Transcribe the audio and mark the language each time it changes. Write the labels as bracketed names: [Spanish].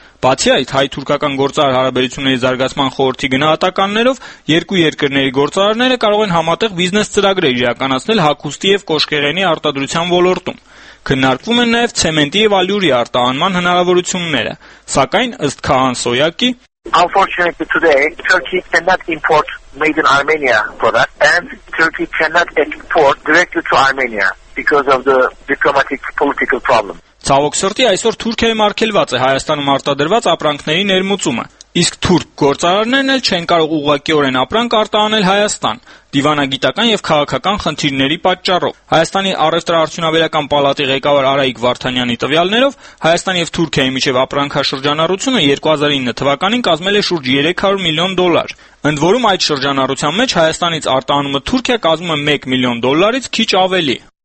[Armenian] Բացի այդ, հայ-թուրքական գործարար հարաբերությունների զարգացման խորհրդի գնահատականներով երկու երկրների գործարարները կարող են համատեղ բիզնես ծրագրեր իրականացնել հագուստի և կոշկեղենի արտադրության ոլորտում։ Քննարկվում են նաև ցեմենտի և ալյուրի արտահանման հնարավորությունները, սակայն ըստ Քահան Սոյակի, [English] Unfortunately, today Turkey cannot import made in Armenia product, and Turkey cannot export directly to Armenia because of the diplomatic political problem. [Armenian] Ցավոք սրտի, այսօր Թուրքիայի մարգելված է Հայաստանում արտադրված ապրանքների ներմուծումը, իսկ թուրք գործարարներն էլ չեն կարող ուղղակիորեն ապրանք արտահանել Հայաստան դիվանագիտական և քաղաքական խնդիրների պատճառով։ Հայաստանի առևտրարդյունաբերական պալատի ղեկավար Արայիկ Վարդանյանի տվյալներով Հայաստան և Թուրքիայի միջև ապրանքաշրջանառությունը 2009 թվականին կազմել է շուրջ $300 million։ Ընդ որում այդ շրջանառության մեջ Հայաստանից արտահանումը Թուրքիա կազմում է $1 million քիչ ավելի։